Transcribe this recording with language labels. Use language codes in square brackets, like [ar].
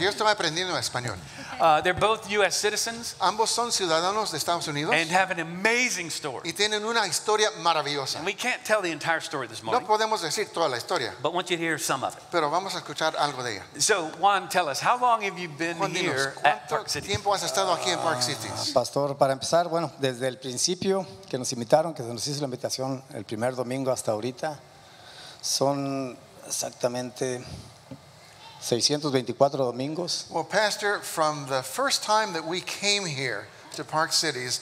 [es] Porque yo estoy aprendiendo español. [en] They're both U.S. citizens. [es] Ambos son ciudadanos de Estados Unidos. [en] And have an amazing story. [es] Y tienen una historia maravillosa. [en] And we can't tell the entire story this morning. [es] No podemos decir toda la historia. [en] But I want you to hear some of it. [es] Pero vamos a escuchar algo de ella. [en] So, Juan, tell us, how long have you been [es] Juan, dinos, [en] here at Park City? [es] ¿Cuánto tiempo has estado aquí en Park City? Pastor, para empezar, bueno, desde el principio que nos invitaron, que nos hizo la invitación el primer domingo hasta ahorita son exactamente 624 domingos. [en] Well, Pastor, from the first time that we came here to Park Cities,